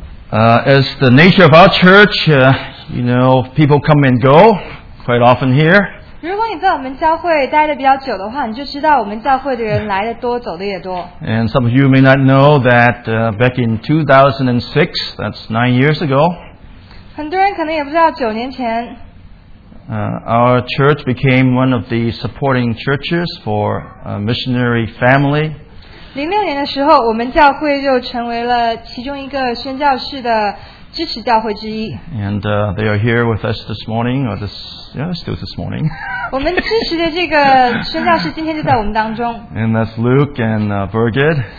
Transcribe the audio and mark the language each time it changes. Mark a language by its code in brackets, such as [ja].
[en] As the nature of our church, you know, people come and go quite often here. [zh] 如果你在我们教会待得比较久的话, 你就知道我们教会的人来得多, 走得也多。 [en] And some of you may not know that back in 2006, that's 9 years ago, [zh] 很多人可能也不知道, 9年前, [en] Our church became one of the supporting churches for a missionary family. [zh] 2006年的时候, 我们教会就成为了其中一个宣教士的支持教会之一。 [en] And they are here with us this morning, or still this morning. [zh] 我们支持的这个宣教士今天就在我们当中。 [en] And that's Luke and Birgit.